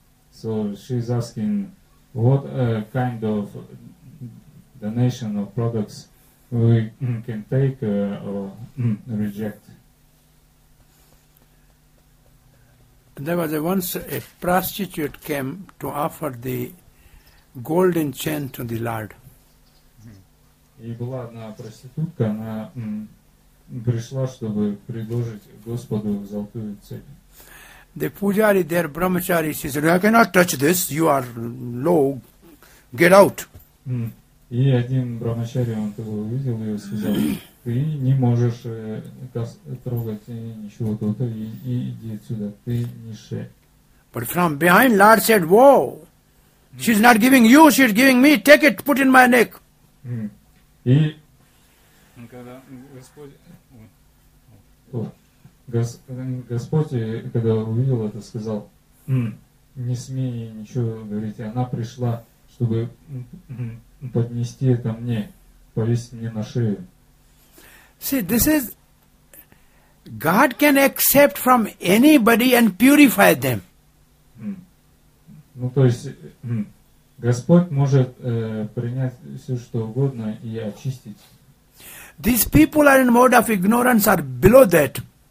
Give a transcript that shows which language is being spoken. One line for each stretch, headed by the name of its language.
English: So she's asking what kind of donation of products we can take or reject. There was once a prostitute came to offer the golden chain to the Lord.
Russian: И была одна проститутка, она пришла, чтобы предложить Господу золотую цепь.
English: The pujari there, brahmachari, she said, I cannot touch this, you are low, get out.
Russian: И один брахмачари, он увидел ее, сказал, ты не можешь трогать ничего тут, и иди отсюда, ты нише.
English: But from behind, Lord said, whoa! She's not giving you, she's giving me. Take it, put in my neck.
Russian: И когда Господь, когда увидел это, сказал, не смей ничего говорить. Она пришла, чтобы поднести это мне, повесить мне на шею.
English: See, this is God can accept from anybody and purify them.
Russian: Ну, то есть Господь может принять все, что угодно, и очистить.
English: These people are in mode of ignorance, are below that.